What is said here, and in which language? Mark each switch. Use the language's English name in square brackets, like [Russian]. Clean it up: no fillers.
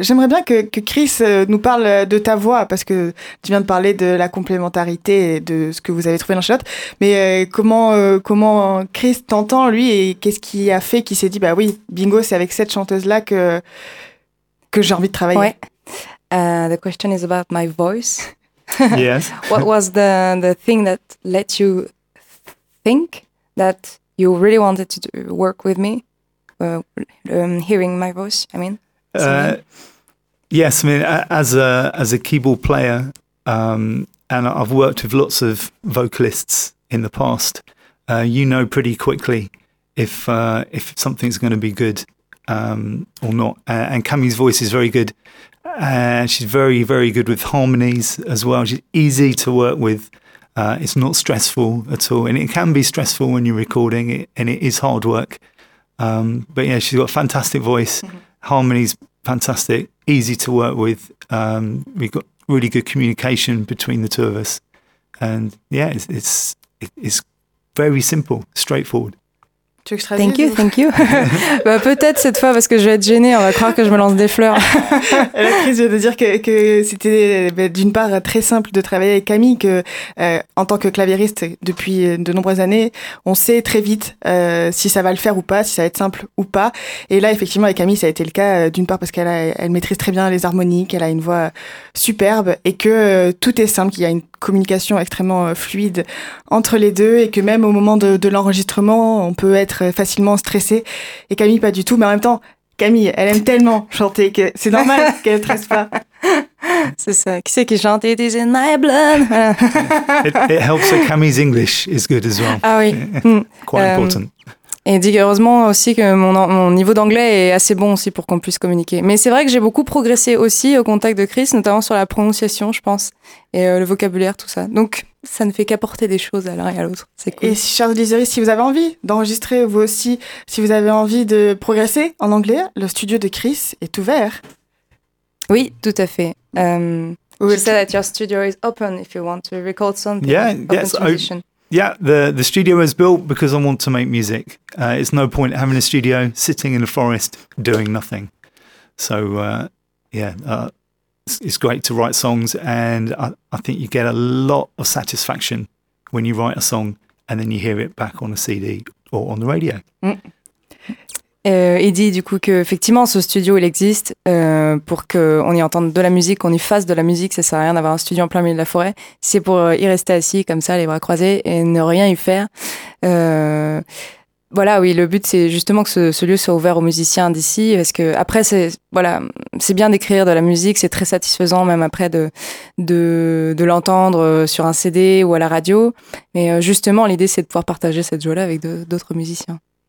[French] J'aimerais bien que Chris nous parle de ta voix, parce que tu viens de parler de la complémentarité et de ce que vous avez trouvé dans Charlotte. Mais comment Chris t'entend, lui, et qu'est-ce qui a fait qu'il s'est dit, bah oui, bingo, c'est avec cette chanteuse-là que j'ai envie de travailler. [English] Ouais. The question is about my voice. Yes. What was the thing that let you think that you really wanted to work with me? Hearing my voice, I mean. Yes, I mean as a keyboard player, and I've worked with lots of vocalists in the past. You know pretty quickly if something's going to be good or not. And Cammy's voice is very good. She's very very good with harmonies as well. She's easy to work with. It's not stressful at all, and it can be stressful when you're recording. And it is hard work. But yeah, she's got a fantastic voice, mm-hmm. Harmony's fantastic, easy to work with. We've got really good communication between the two of us, and yeah, it's very simple, straightforward. Thank you. [French] Bah, peut-être cette fois, parce que je vais être gênée, on va croire que je me lance des fleurs. La crise vient de dire que c'était d'une part très simple de travailler avec Camille, que en tant que claviériste depuis de nombreuses années, on sait très vite si ça va le faire ou pas, si ça va être simple ou pas. Et là, effectivement, avec Camille, ça a été le cas, d'une part parce qu'elle maîtrise très bien les harmoniques, elle a une voix superbe et que tout est simple, qu'il y a une communication extrêmement fluide entre les deux et que même au moment de l'enregistrement, on peut être facilement stressé. Et Camille, pas du tout. Mais en même temps, Camille, elle aime tellement chanter que c'est normal qu'elle ne stresse pas. C'est ça. Qui c'est qui chante? [English] It is in my blood. It helps that Camille's English is good as well. [French] Ah oui. [English] Quite important. [French] Et dit heureusement aussi que mon niveau d'anglais est assez bon aussi pour qu'on puisse communiquer. Mais c'est vrai que j'ai beaucoup progressé aussi au contact de Chris, notamment sur la prononciation, je pense, et le vocabulaire, tout ça. Donc, ça ne fait qu'apporter des choses à l'un et à l'autre. C'est cool. Et si, chers auditeurs, si vous avez envie d'enregistrer, vous aussi, si vous avez envie de progresser en anglais, le studio de Chris est ouvert. Oui, tout à fait. [English] You said that your studio is open if you want to record something. Yeah, the studio is built because I want to make music. It's no point having a studio, sitting in a forest, doing nothing. So, it's great to write songs, and I think you get a lot of satisfaction when you write a song and then you hear it back on a CD or on the radio. Mm. [French] Il dit du coup qu'effectivement ce studio il existe pour qu'on y entende de la musique, qu'on y fasse de la musique. Ça sert à rien d'avoir un studio en plein milieu de la forêt, c'est pour y rester assis comme ça les bras croisés et ne rien y faire. Voilà, oui, le but c'est justement que ce lieu soit ouvert aux musiciens d'ici, parce que après c'est bien d'écrire de la musique, c'est très satisfaisant même après de l'entendre sur un CD ou à la radio, mais justement l'idée c'est de pouvoir partager cette joie-là avec d'autres musiciens.